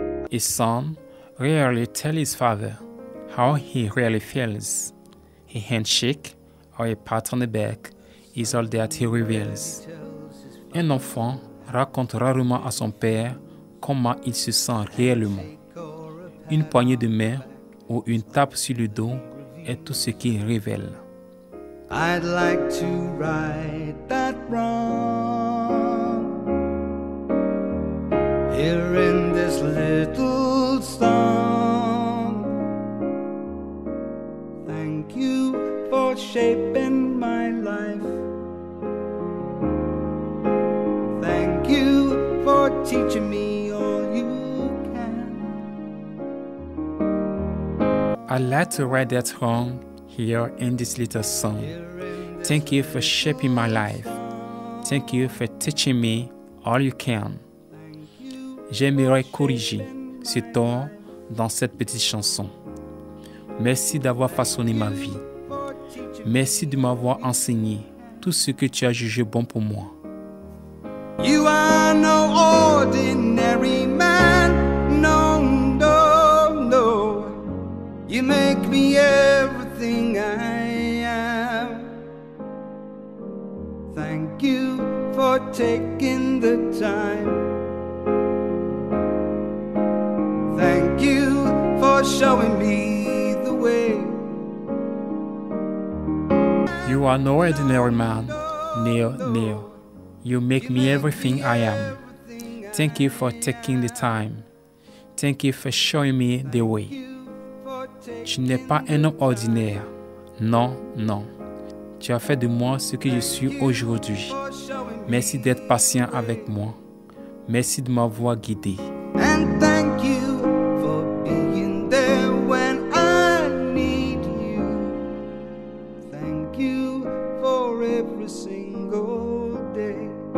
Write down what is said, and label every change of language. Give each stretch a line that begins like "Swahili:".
English: His son rarely tells his father how he really feels. A handshake or a pat on the back is all that he reveals.
French: Un enfant raconte rarement à son père comment il se sent réellement. Une poignée de main ou une tape sur le dos est tout ce qu'il révèle.
English: I'd like to write that wrong here in this little song. Thank you for shaping my life. Thank you for teaching me all you can. I'd like to write that wrong here in this little song. Thank you for shaping my life. Thank you for teaching me all you can.
French: J'aimerais corriger ce tort dans cette petite chanson. Merci d'avoir façonné ma vie. Merci de m'avoir enseigné tout ce que tu as jugé bon pour moi.
English: You are no ordinary man. No, no, no. You make me everything I am. Thank you for taking the time. Thank you for showing me the way. You are no ordinary man, Neil, Neil. You make me everything I am. Thank you for taking the time. Thank you for showing me the way.
French: Tu n'es pas un homme ordinaire. Non, non. Tu as fait de moi ce que je suis aujourd'hui. Merci d'être patient avec moi. Merci de m'avoir guidé.
English: And thank you for being there when I need you. Thank you for every single day.